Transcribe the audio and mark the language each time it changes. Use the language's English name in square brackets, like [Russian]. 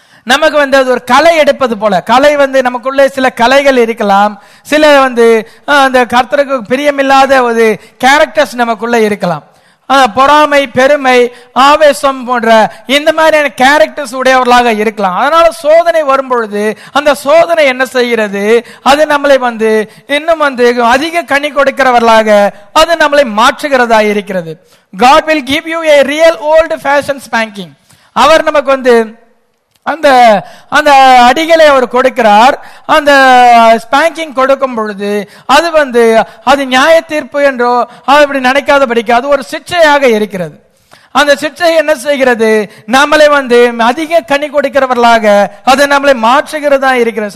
[Tamil] நமக்கு வந்து அது ஒரு களை எடுப்பது போல, களை வந்து நமக்குள்ளே சில களைகள் இருக்கலாம், சில வந்து அந்த கர்த்தருக்கு பிரியமில்லாத ஒரு கேரக்டர்ஸ் நமக்குள்ளே இருக்கலாம், பொறாமை பெருமை ஆவேசம் போன்ற இந்த மாதிரியான கேரக்டர்ஸ் உடையவர்களாக இருக்கலாம். அதனால சோதனை வரும் பொழுது அந்த சோதனை என்ன செய்கிறது, அது நம்மளை வந்து இன்னும் வந்து அதிக கனி கொடுக்கிறவர்களாக அது நம்மளை மாற்றுகிறதா இருக்கிறது. [English] God will give you a real old fashioned spanking. [Tamil] அவர் நமக்கு வந்து அந்த அந்த அடிகளை அவர் கொடுக்கிறார். அந்த ஸ்பேங்கிங் கொடுக்கும் பொழுது அது வந்து அது நியாய தீர்ப்பு என்றோ அப்படி நினைக்காத படிக்க அது ஒரு சிச்சையாக இருக்கிறது. அந்த சிச்சை என்ன செய்கிறது, நம்மளை வந்து அதிக கனி கொடுக்கிறவர்களாக அது நம்மளை மாற்றுகிறதா இருக்கிறது.